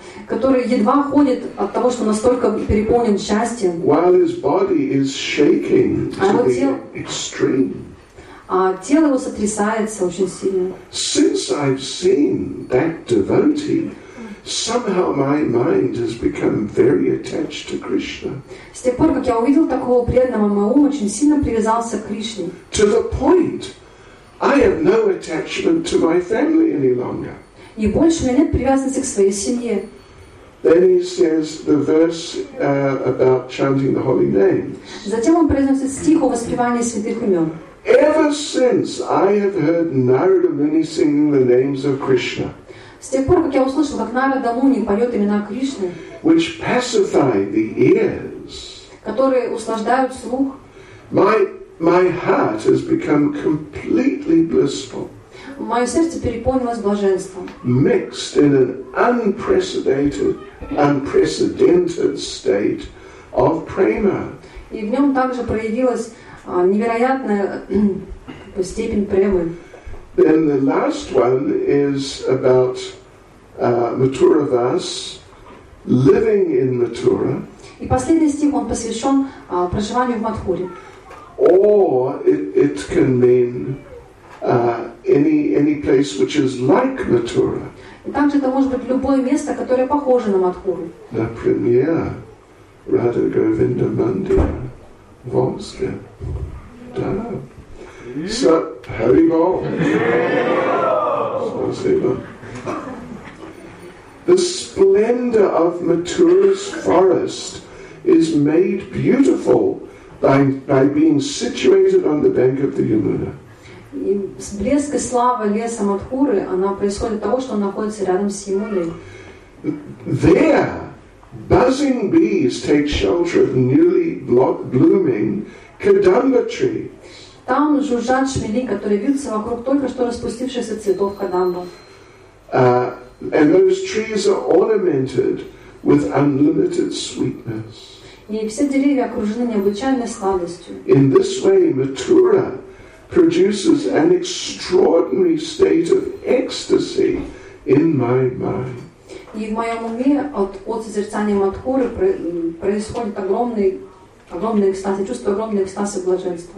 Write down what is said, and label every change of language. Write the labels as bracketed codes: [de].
[ru] Который едва ходит от того, что настолько переполнен счастьем. [en] While his body is shaking to the extreme. [ru] А тело его сотрясается очень сильно. [en] Since I've seen that devotee, somehow my mind has become very attached to Krishna. [ru] С тех пор, как я увидел такого преданного, мой ум очень сильно привязался к Кришне. [en] To the point, I have no attachment to my family any longer. [ru] И больше у меня нет привязанности к своей семье. [en] Then he says the verse about chanting the holy names. [ru] Затем он произносит стих о воспевании святых имен. [en] Ever since I have heard Narada Muni singing the names of Krishna. [ru] С тех пор, как я услышал, как Нарада Муни поет имена Кришны. [en] Which pacify the ears. [ru] Которые услаждают слух. [en] My heart has become completely blissful. [ru] Мое сердце переполнилось блаженством. [en] Mixed in an unprecedented state of prema. [ru] И в нем также проявилась невероятная степень премы. [en] Then the last one is about Mathura Vas living in Mathura. [ru] И последний стих он посвящен проживанию в Матхуре. [en] Or it can mean any place which is like Mathura. [ru] Также это может быть любое место, которое похоже на Матхуру. Например, Radha Govinda Mandir, Vomsky. Да. [en] So, Hari Bol. The splendor of Mathura's forest is made beautiful by being situated on the bank of the Yamuna. [ru] И блеск и слава леса Матхуры, она происходит от того, что он находится рядом с Ямуной. [en] There, buzzing bees take shelter of newly blooming kadamba trees. [ru] Там жужжат шмели, которые вьются вокруг только что распустившихся цветов кадамба. [en] And those trees are ornamented with unlimited sweetness. [ru] И все деревья окружены необычайной сладостью. [en] In this way, Mathura produces an extraordinary state of ecstasy in my mind. [ru] И в моем уме от созерцания Матхуры происходит огромный экстаз, я чувствую огромный экстаз и блаженство.